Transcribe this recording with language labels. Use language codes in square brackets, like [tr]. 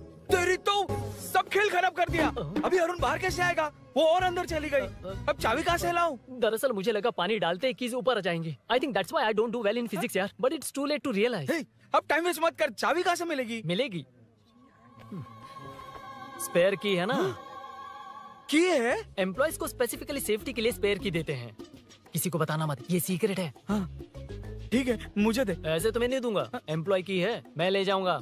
[hi] तेरी तो सब खेल खराब कर दिया। अभी अरुण बाहर कैसे आएगा? वो और अंदर चली गई। अब चाबी कहाँ से लाऊं? दरअसल मुझे लगा पानी डालते ही चीज़ ऊपर आ जाएंगे। [en] I think that's why I don't do well in physics यार. But it's too late to realize. [hi] अब time waste मत कर, चाबी कहाँ से मिलेगी? मिलेगी। स्पेयर की है ना? की है? एम्प्लॉयज को स्पेसिफिकली सेफ्टी के लिए स्पेयर की देते हैं। किसी को बताना मत, ये सीक्रेट है। ठीक है, मुझे दे। ऐसे तो मैं नहीं दूंगा। एम्प्लॉय की है, मैं ले जाऊंगा।